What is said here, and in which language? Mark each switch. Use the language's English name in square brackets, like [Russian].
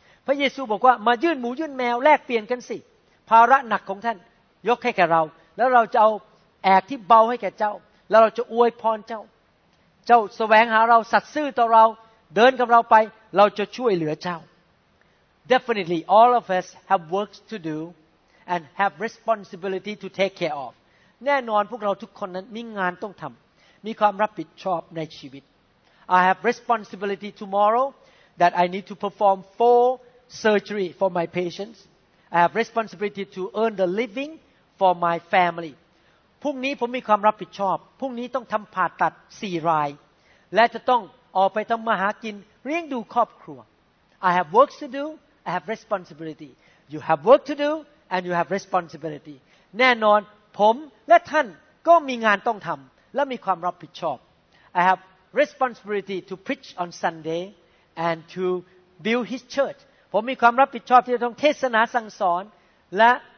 [Thai] พระเยซูบอกว่ามายื่นหมูยื่นแมวแลกเปลี่ยนกันสิภาระหนักของท่านยกให้แก่เราแล้วเราจะเอาแอกที่เบาให้แก่เจ้าแล้วเราจะอวยพรเจ้าแสวงหาเราสัตย์ซื่อต่อเราเดินกับเราไปเราจะช่วยเหลือเจ้า [English] Definitely, all of us have work to do and have responsibility to take care of. [Thai] แน่นอนพวกเราทุกคนนั้นมีงานต้องทำมีความรับผิดชอบในชีวิต [English] I have responsibility tomorrow that I need to perform 4 surgery for my patients. I have responsibility to earn the living for my family. [Thai] พรุ่งนี้ผมมีความรับผิดชอบพรุ่งนี้ต้องทำผ่าตัด4รายและจะต้อง ออกไปทำมาหากินเลี้ยงดูครอบครัว [English] I have work to do I have responsibility You have work to do and you have responsibility [Thai] แน่นอนผมและท่านก็มีงานต้องทำและมีความรับผิดชอบ [English] I have responsibility to preach on Sunday and to build his church [Thai] ผมมีความรับผิดชอบที่จะต้องเทศนาสั่งสอนและ